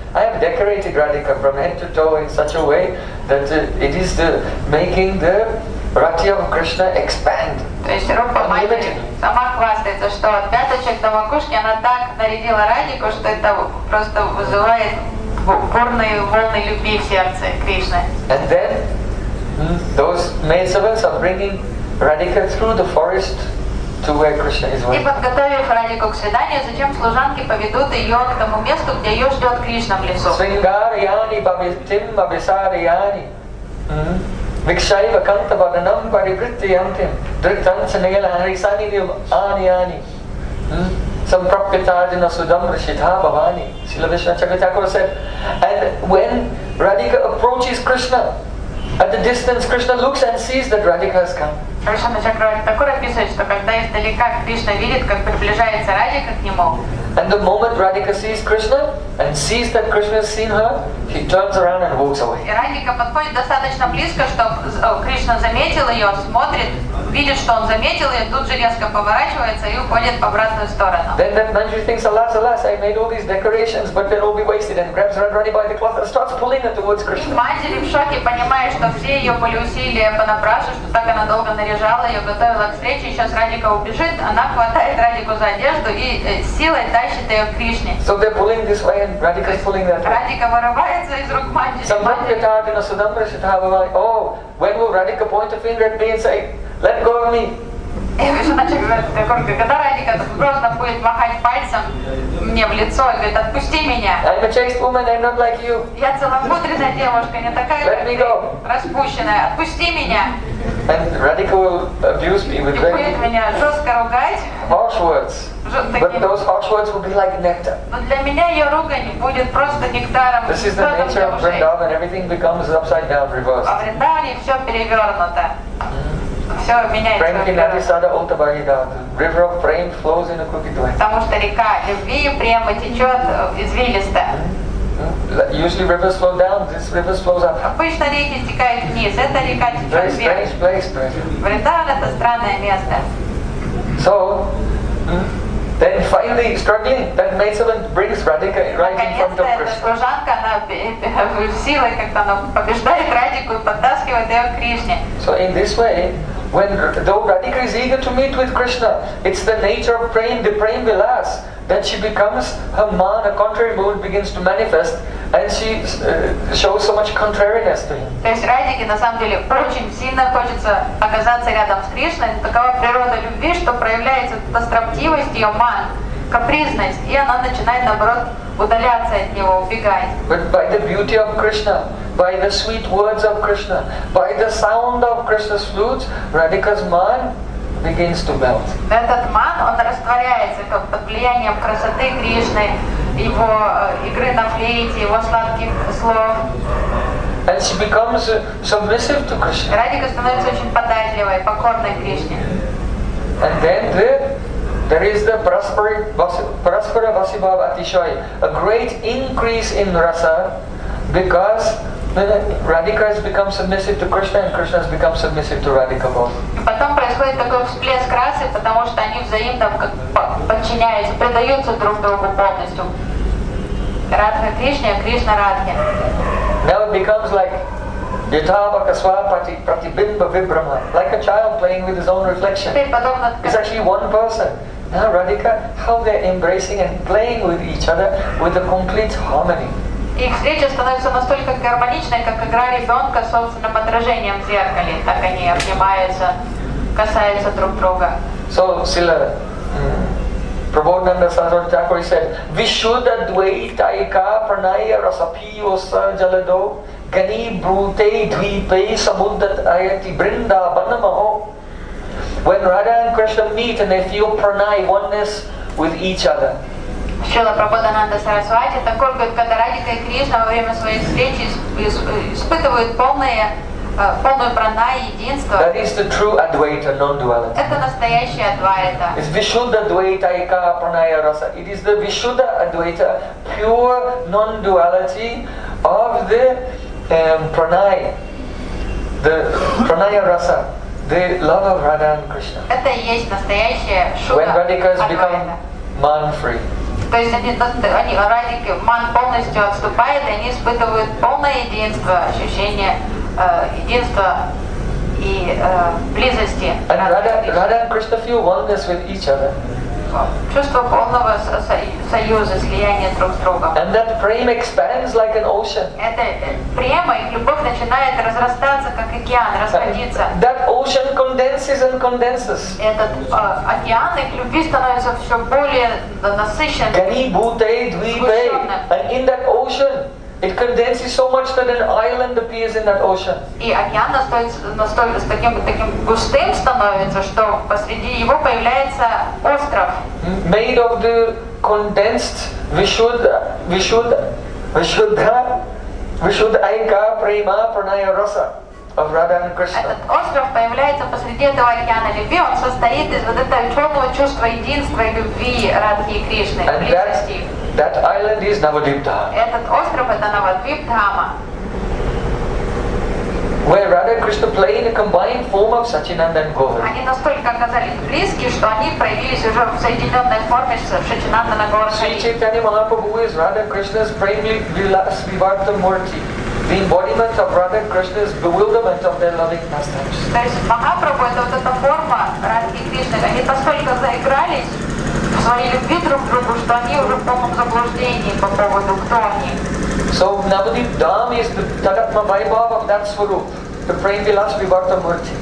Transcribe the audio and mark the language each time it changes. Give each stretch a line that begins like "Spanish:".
English: I have decorated Radhika from head to toe in such a way that it is the making the Rati of Krishna expand.
Russian: То есть Рупа Манджи сама хвастается, что от пяточек до макушки она так нарядила Радику, что это просто вызывает бурные волны любви в сердце Кришны.
English: And then those maidservants are bringing Radhika through the forest to where Krishna is waiting.
Russian: И подготовив Радику к свиданию, зачем служанки поведут ее к тому месту, где ее ждет Кришна в лесу?
Sanskrit: Свингарьяни бабитим абисарьяни викшайва канта баданам парикриттиянтим дриктанцанила харисани вим аньяни сампрапитарина судам ришитха бхавани.
English: Шрила Вишна Чакатакура said, and when Radhika approaches Krishna, at the distance, Krishna looks and sees that Radhika has come.
Russian: Кришна Чакрарти Такура описывает, что когда издалека Кришна видит, как приближается Радика к нему.
English: And the moment Radhika sees Krishna and sees that Krishna has seen her, he turns around and walks away.
Russian: И Радика подходит достаточно близко, чтобы Кришна заметил ее, смотрит, видит, что он заметил ее, тут же резко поворачивается и уходит в обратную сторону.
English: Then that Manjari thinks, alas, alas, I made all these decorations, but they'll all be wasted, and grabs Radhika by the cloth and starts pulling her towards Krishna.
Russian: Манджари в шоке, понимая, что все ее были усилия понапрасну, что так она долго наряжала ее, готовила к встрече, и сейчас Радика убежит, она хватает Радику за одежду и силой тащит ее к Кришне.
English: So they're pulling this way and Radhika is pulling that way.
Russian: Радика вырывается из рук Манджари.
Sanskrit: Самбхатьятардина судамбра ситхабава.
English: Oh, when will Radhika point a finger at me and say, let go of me?
Russian: Когда Радика грозно будет махать пальцем мне в лицо и говорит, отпусти меня.
English: I'm a chaste woman, I'm not like you.
Russian: Я целомудренная девушка, не такая,
English: let me go.
Russian: Распущенная. Отпусти меня.
English: And Radhika will abuse me with very
Russian: меня жестко ругать.
English: Harsh words. But those harsh words will be like nectar.
Russian: Но для меня ее ругань будет просто нектаром.
English: This is the nature of Vrindavan, everything becomes upside down, reversed.
Russian: А в Вриндаване все перевернуто.
English: River of Prem flows in a crooked way.
Russian: Потому что река любви и према течет извилисто.
English: Usually rivers flow down, this river flows up.
Russian: Обычно реки стекают вниз, эта река течет вверх.
English: Very strange place, Prem.
Russian: Вриндаван — это странное место.
English: So, then finally, struggling, that maidservant brings Radhika right in front of Krishna.
Russian: Служанка, она силой как-то она побеждает Радику и подтаскивает ее к Кришне.
English: So in this way, when though Radhika is eager to meet with Krishna, it's the nature of Prem, the Prem Vilas, that she becomes her man, a contrary mood begins to manifest, and she shows so much contrariness to him.
Russian: То есть Радике на самом деле очень сильно хочется оказаться рядом с Кришной. Такова природа любви, что проявляется эта строптивость, ее ман, капризность, и она начинает наоборот удаляться от него, убегает.
English: But by the beauty of Krishna, by the sweet words of Krishna, by the sound of Krishna's flutes, Radhika's man begins to melt.
Russian: Этот ман, он растворяется как под влиянием красоты Кришны, его игры на флейте, его сладких слов.
English: And she becomes submissive to Krishna.
Russian: Радика становится очень податливой, покорной Кришне.
English: And then there is the
Sanskrit: Praspara Vasibhava Atishoy,
English: a great increase in rasa, because Radhika has become submissive to Krishna and Krishna has become submissive to Radhika both.
Russian: Потом происходит такой всплеск расы, потому что они взаимно подчиняются, предаются друг другу полностью. Радха Кришне, Кришна Радхе.
English: Now it becomes like
Sanskrit: Yathava Kaswa Pati Pratibimba Vibrama,
English: like a child playing with his own reflection. It's actually one person. Now Radhika, how they're embracing and playing with each other with a complete harmony.
Russian: Их встреча становится настолько гармоничной, как игра ребенка с собственным отражением в зеркале, так они обнимаются, касаются друг друга.
Sanskrit: So, Srila Prabhupada Sanatana Thakur said, Vishuddha Dvaitaika Pranaya Rasapiyo Sajalado Gani Brute Dvipe Samuddhat Ayati Brinda Banamaho.
English: When Radha and Krishna meet and they feel pranay, oneness with each other.
Russian: Шрила Прабхупада Сарасвати Такур говорит, когда Радика и Кришна во время своей встречи испытывают полное пранай единство.
English: That is the true Advaita, non-duality.
Russian: Это настоящая Адвайта.
English: It's
Sanskrit: Vishuddha Advaita Ika Pranaya Rasa.
English: It is the Vishuddha Advaita, pure non-duality of the pranay, the pranaya rasa. The love of Radha and Krishna.
Russian: Это и есть настоящая шуда.
English: When Radhikas become man-free.
Russian: То есть они Радики ман полностью отступает, и они испытывают полное единство, ощущение единства и близости.
English: And Radha and Krishna feel oneness with each other.
Russian: Чувство полного союза, слияния друг с другом.
English: And that prema expands like an ocean.
Russian: Это према, их любовь начинает разрастаться, как океан, расходиться.
English: That ocean condenses and condenses.
Russian: Этот океан, их любви становится все более насыщенным.
Sanskrit: Gani bhute dvipe.
English: And in that ocean, it condenses so much that an island appears in that ocean.
Russian: И океан настолько таким густым становится, что посреди его появляется остров.
English: Made of the condensed Vishuddha prema pranaya rasa of Radha and Krishna.
Russian: Этот остров появляется посреди этого океана любви. Он состоит из вот этого чёрного чувства единства и любви Радхи и Кришны.
English: That island is Navadvipa Dhama.
Russian: Этот остров это Навадвип Дхама.
English: Where Radha and Krishna play in a combined form of Сачинанда and Govард.
Russian: Они настолько оказались близки, что они проявились уже в соединенной форме с Сачинанда на Говард.
English: Sri Chaitanya Mahaprabhu is Radha Krishna's Premi Vilas Vivarta Murti. The embodiment of Radha Krishna's bewilderment of their loving pastimes.
Russian: То есть Махапрабху это вот эта форма Радхи Кришны. Они настолько заигрались своей любви друг другу, что они уже в полном заблуждении по поводу кто они.
English: So Navadvipa Dhama is the Tadatma Vaibhav of that Swarup, the Prem Vilas Vivarta Murti.